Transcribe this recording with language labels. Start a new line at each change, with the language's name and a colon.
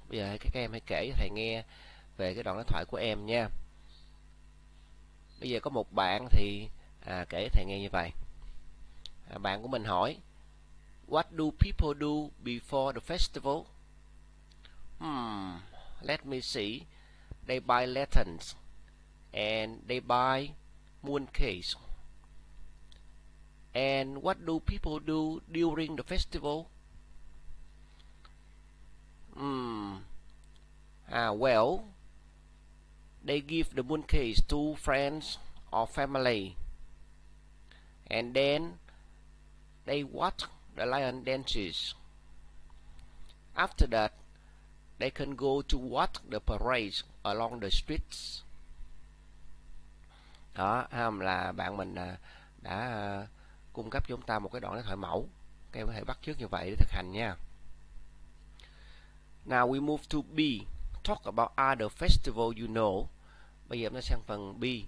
Vietnamese: Bây giờ các em hãy kể cho thầy nghe về cái đoạn đối thoại của em nha. Bây giờ có một bạn thì kể cho thầy nghe như vậy. Bạn của mình hỏi:
English: What do people do before the festival? Let me see. They buy lanterns and they buy moon cakes. And what do people do during the festival? Well, they give the moon cakes to friends or family. And then they watch the lion dances. After that, they can go to watch the parade along the streets.
Vietnamese: Đó, là bạn mình đã cung cấp cho chúng ta một cái đoạn đối thoại mẫu. Các em có thể bắt chước như vậy để thực hành nha.
English: Now we move to B. Talk about other festival you know.
Vietnamese: Bây giờ chúng ta sang phần B.